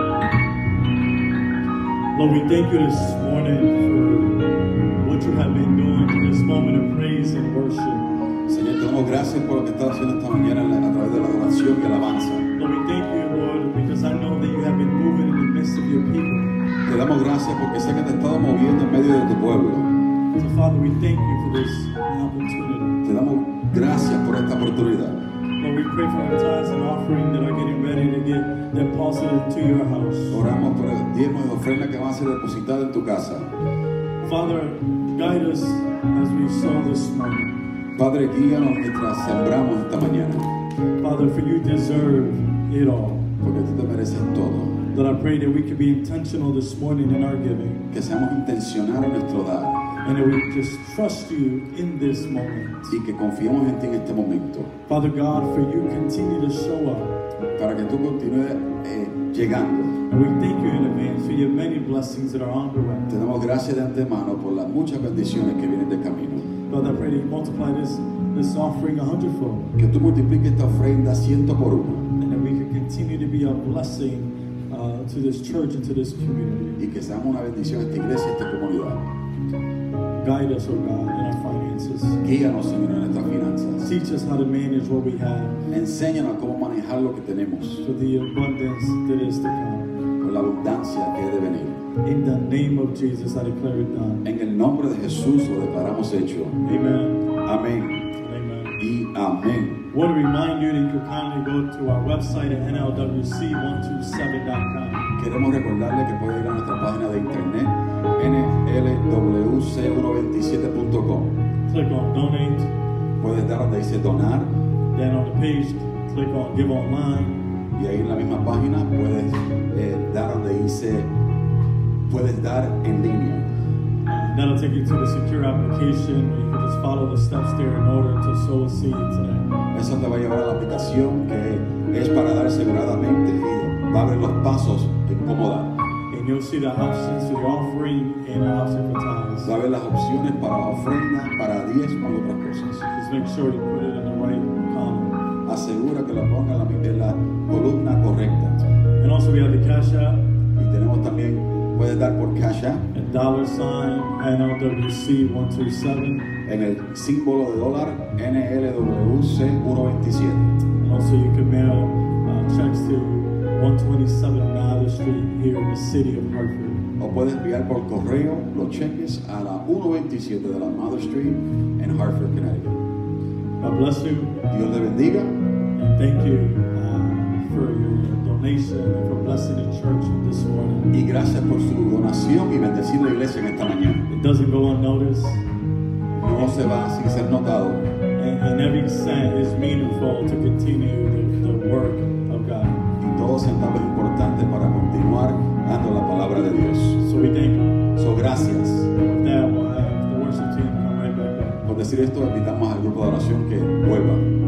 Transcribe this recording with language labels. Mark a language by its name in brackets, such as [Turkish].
[English] Lord, we thank you this morning for what you have been doing in this moment of praise and worship. [Spanish] Señor, te damos gracias por lo que estás haciendo esta mañana a través de la adoración y alabanza. [English] Lord, we thank you, Lord, because I know that you have been moving in the midst of your people. [Spanish] Te damos gracias porque sé que te estás moviendo en medio de tu pueblo. [English] So, Father, we thank you for this opportunity. [Spanish] Te damos gracias por esta oportunidad. [English] Lord, we pray for our tithes and offering that are getting ready to get deposited to your house. [Spanish] Oramos por el diezmo y ofrenda que va a ser depositado en tu casa. [English] Father, guide us as we sow this morning. [Spanish] Padre, guíanos mientras sembramos esta mañana. [English] Father, for you deserve it all. [Spanish] Porque tú te mereces todo. [English] Lord, I pray that we can be intentional this morning in our giving. [Spanish] Que seamos intencionales en nuestro dar. [English] And that we just trust you in this moment. [Spanish] Y que confiemos en ti en este momento. [English] Father God, for you continue to show up. [Spanish] Para que tú continúes llegando. [English] And we thank you in advance for your many blessings that are on the way. [Spanish] Te damos gracias de antemano por las muchas bendiciones que vienen de camino. [English] Lord, I pray that you multiply this offering a hundredfold. [Spanish] Que tú multipliques esta ofrenda ciento por uno. [English] And that we can continue to be a blessing to this church and to this community. [Spanish] Y que seamos una bendición a esta iglesia y a esta comunidad. [English] Guide us, oh God, in our finances. [Spanish] Guíanos, Señor, en nuestras finanzas. [English] Teach us how to manage what we have. [Spanish] Enséñanos cómo manejar lo que tenemos. [English] For the abundance that is to come. [Spanish] Por la abundancia que ha de venir. [English] In the name of Jesus, I declare it done. [Spanish] En el nombre de Jesús lo declaramos hecho. [English] Amen. [Spanish] Amén. [English] Amen. [Spanish] Y amén. [English] I want to remind you that you can kindly go to our website at nlwc127.com. [Spanish] Queremos recordarle que puede ir a nuestra página de internet, nlwc127.com. [English] Click on donate. [Spanish] Puedes dar donde dice donar. [English] Then on the page, click on give online. [Spanish] Y ahí en la misma página puedes dar donde dice puedes dar en línea. [English] That'll take you to the secure application. You can just follow the steps there in order to sow a seed today. [Spanish] Eso te va a llevar a la aplicación que es para dar aseguradamente y va a abrir los pasos en cómo dar. [English] And you'll see the options for offering and option for tithes. [Spanish] Va a ver las opciones para la ofrenda, para diezmo y otras cosas. [English] Just make sure to put it in the right column. [Spanish] Asegura que lo ponga en la columna correcta. [English] And also we have the Cash App. [Spanish] Y tenemos también, puedes dar por Cash App. [English] And $NLWC127. [Spanish] En el símbolo de dólar NLWC127. [English] Also, you can mail checks to 127 Nader Street here in the city of Hartford. [Spanish] O puedes enviar por correo los cheques a la 127 de la Mother Street en Hartford, Connecticut. [English] God bless you. [Spanish] Dios le bendiga. [English] And thank you for your donation and for blessing the church this morning. [Spanish] Y gracias por su donación y bendecir la iglesia en esta mañana. [English] It doesn't go unnoticed. [Spanish] No se va sin ser notado. [English] And every cent is meaningful to continue the work of God. [Spanish] Y todo centavo es importante para continuar dando la palabra de Dios. [English] So we thank you. [Spanish] So gracias. [English] With that, we'll have the worship team come right back up. [Spanish] Por decir esto, invitamos al grupo de oración que vuelva.